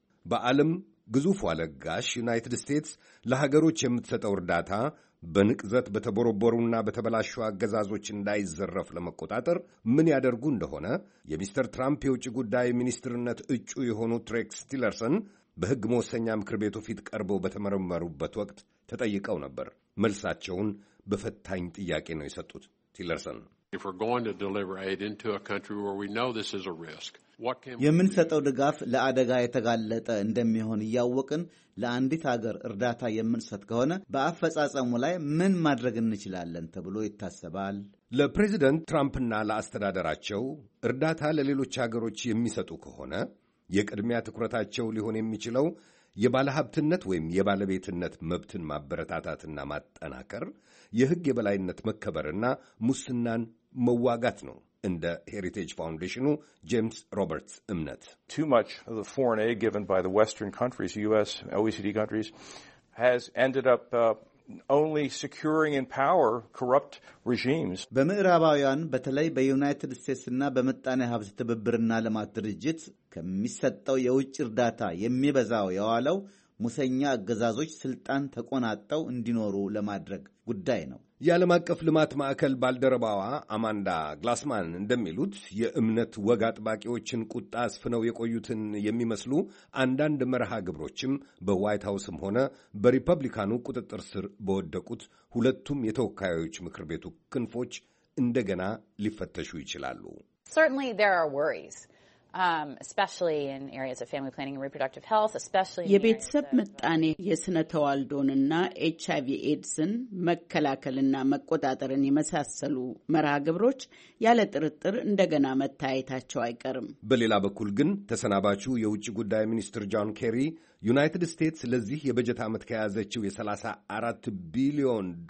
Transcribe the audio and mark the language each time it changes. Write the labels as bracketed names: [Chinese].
[Amharic] በዓለም ግዙፍ ለጋሽ ዩናይትድ ስቴትስ ለሀገሮች የምትሰጠው እርዳታ በንቅዘት በተቦረቦሩና በተበላሹ አገዛዞች እንዳይዘረፍ ለመቆጣጠር ምን ያደርጉ እንደሆነ የሚስተር ትራምፕ የውጭ ጉዳይ ሚኒስትርነት እጩ የሆኑት ሬክስ ቲለርሰን በሕግ መወሰኛ ምክር ቤቱ ፊት ቀርበው በተመረመሩበት ወቅት ተጠይቀው ነበር። መልሳቸውን በፈታኝ ጥያቄ ነው የሰጡት ቲለርሰን። [English] If we're going to deliver aid into a country where we know this is a risk, [Amharic] የምንሰጠው ድጋፍ ለአደጋ የተጋለጠ እንደሚሆን ያወቅን ለአንዲት ሀገር እርዳታ የምንሰጥ ከሆነ በአፈጻጸሙ ላይ ምን ማድረግ እንችላለን ተብሎ ይታሰባል። ለፕሬዚደንት ትራምፕና ለአስተዳደራቸው እርዳታ ለሌሎች ሀገሮች የሚሰጡ ከሆነ የቅድሚያ ትኩረታቸው ሊሆን የሚችለው የባለሀብትነት ወይም የባለቤትነት መብትን ማበረታታትና ማጠናከር፣ የሕግ የበላይነት መከበርና ሙስናን መዋጋት ነው እንደ ሄሪቴጅ ፋውንዴሽኑ ጄምስ ሮበርትስ እምነት። [English] Too much of the foreign aid given by the Western countries, US, OECD countries, has ended up only securing in power corrupt regimes. [Amharic] በምዕራባውያን በተለይ በዩናይትድ ስቴትስና በመጣኔ ሀብት ትብብርና ልማት ድርጅት ከሚሰጠው የውጭ እርዳታ የሚበዛው የዋለው ሙሰኛ አገዛዞች ስልጣን ተቆናጠው እንዲኖሩ ለማድረግ ጉዳይ ነው። የዓለም አቀፍ ልማት ማዕከል ባልደረባዋ አማንዳ ግላስማን እንደሚሉት የእምነት ወግ አጥባቂዎችን ቁጣ አስፍነው የቆዩትን የሚመስሉ አንዳንድ መርሃ ግብሮችም በዋይት ሃውስም ሆነ በሪፐብሊካኑ ቁጥጥር ስር በወደቁት ሁለቱም የተወካዮች ምክር ቤቱ ክንፎች እንደገና ሊፈተሹ ይችላሉ። [English] Certainly there are worries. Especially in areas of family planning and reproductive health, especially [Amharic] የቤተሰብ መጣኔ የስነተዋልዶንና ኤችአይቪ ኤድስን መከላከልና መቆጣጠርን የመሳሰሉ መራግብሮች ያለ ጥርጥር እንደገና መታየታቸው አይቀርም። በሌላ በኩል ግን ተሰናባቹ የውጭ ጉዳይ ሚኒስትር ጆን ኬሪ ዩናይትድ ስቴትስ ለዚህ የበጀት ዓመት ከያዘችው $34 ቢሊዮን